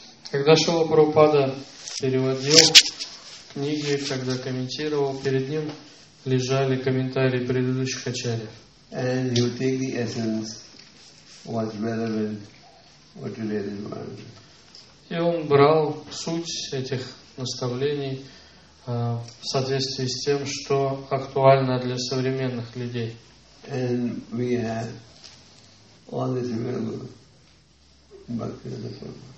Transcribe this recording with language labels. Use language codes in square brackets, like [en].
[ru] Когда Шрила Прабхупада переводил книги, когда комментировал, перед ним лежали комментарии предыдущих Ачарьев. [en] And you take the essence what's relevant for today's environment. [ru] И он брал суть этих наставлений в соответствии с тем, что актуально для современных людей. [en] And we have all this available Bhaktivedanta.